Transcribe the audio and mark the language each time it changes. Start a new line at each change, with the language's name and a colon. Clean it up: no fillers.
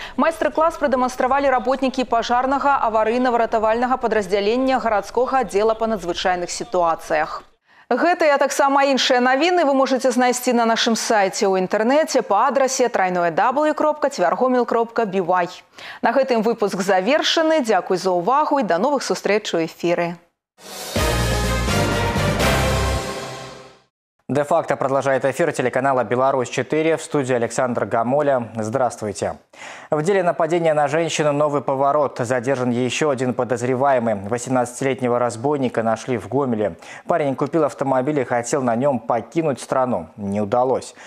Russian: Майстер-класс продемонстрировали работники пожарного аварийно-воротовального подразделения городского отдела по надзвичайных ситуациях.
Belarusian: Гэта я так само іншыя навіны вы можете знайсці на нашым сайте ў інтэрнэце па адрасе www.tvargomil.by. На гэтым выпуск завершаны. Дзякуй за ўвагу і да новых сустрэч у эфіры.
Russian: Де-факто продолжает эфир телеканала «Беларусь-4» в студии Александр Гамоля. Здравствуйте. В деле нападения на женщину новый поворот. Задержан еще один подозреваемый. 18-летнего разбойника нашли в Гомеле. Парень купил автомобиль и хотел на нем покинуть страну. Не удалось.